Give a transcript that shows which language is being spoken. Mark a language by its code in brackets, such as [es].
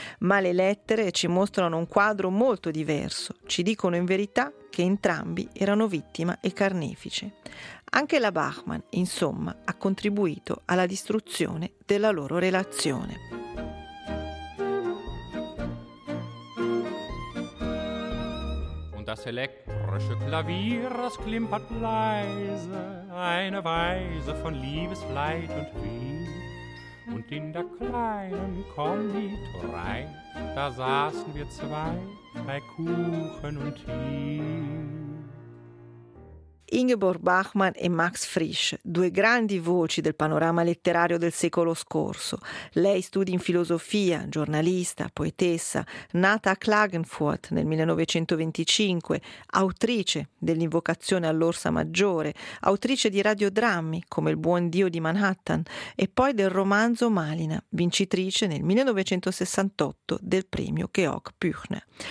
[it] Ma le lettere ci mostrano un quadro molto diverso, ci dicono in verità che entrambi erano vittima e carnefice. Anche la Bachmann, insomma, ha contribuito alla distruzione della loro relazione. [de] Und das elektrische Klavier, das klimpert leise, eine Weise von Liebesleid und Wehen. Und in der kleinen Konditorei, da saßen wir zwei bei Kuchen und Tee. [it] Ingmar Bachmann e Max Frisch, due grandi voci del panorama letterario del secolo scorso. Lei studi in filosofia, giornalista, poetessa, nata a Klagenfurt nel 1925, autrice dell'Invocazione all'Orsa Maggiore, autrice di radiodrammi come Il Buon Dio di Manhattan e poi del romanzo Malina, vincitrice nel 1968 del premio Georg Büchner.